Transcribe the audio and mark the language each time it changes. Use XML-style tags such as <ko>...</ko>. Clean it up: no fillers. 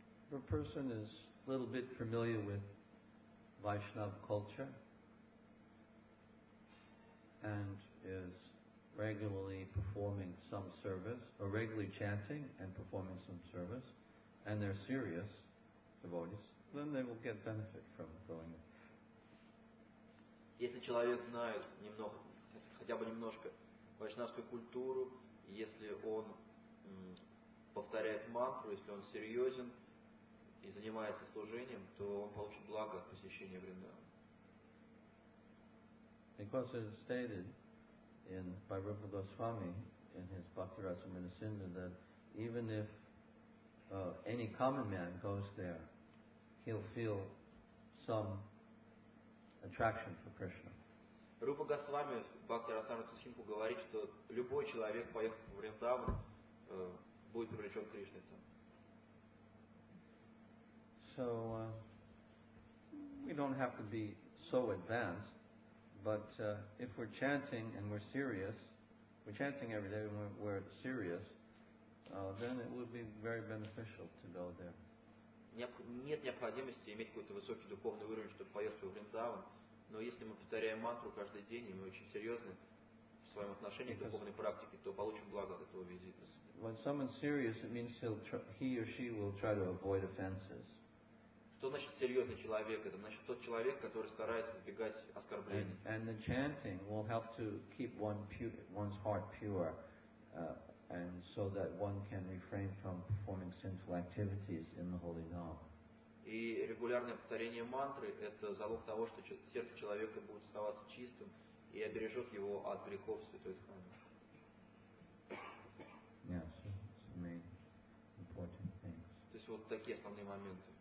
<en>If a person is a little bit familiar with Vaishnava culture and is regularly performing some service, or regularly chanting and performing some service, and they're serious devotees, then they will get benefit from going there.</en> <ru>Если человек знает немного, хотя бы немножко вайшнавскую культуру, если он повторяет мантру, если он серьезен и занимается служением, то он получит благо от посещения Вриндавана.</ru> <en>Because it is stated in by Rupa Goswami in his Bhakti Rasamrita Sindhu that even if any common man goes there, he'll feel some attraction for Krishna.</en> <ru>Рупа Госвами в Бхакти Расамрита Сингху говорит, что любой человек, поехав в Вриндаван, будет привлечен к Кришне.</ru> <en>So we don't have to be so advanced, but if we're chanting and we're serious, we're chanting every day and we're serious, then it would be very beneficial to go there.</en> <ru>Нет необходимости иметь какой-то высокий духовный уровень, чтобы поехать в Вриндаван, но если мы повторяем мантру каждый день и мы очень серьезны в своем отношении к духовной практике, то получим благо от этого визита.</ru> <en>When someone's serious, it means he or she will try to avoid offenses.</en> <ru>Что значит серьезный человек? Это значит тот человек, который старается избегать оскорблений.</ru> <en>And the chanting will help to keep one's heart pure, and so that one can refrain from performing sinful activities in the holy name.</en> <ru>И регулярное повторение мантры – это залог того, что сердце человека будет оставаться чистым и обережет его от грехов святой храме.</ru> <en>Yes, it's the main important things.</en> <ru>То есть вот такие основные моменты.</ru>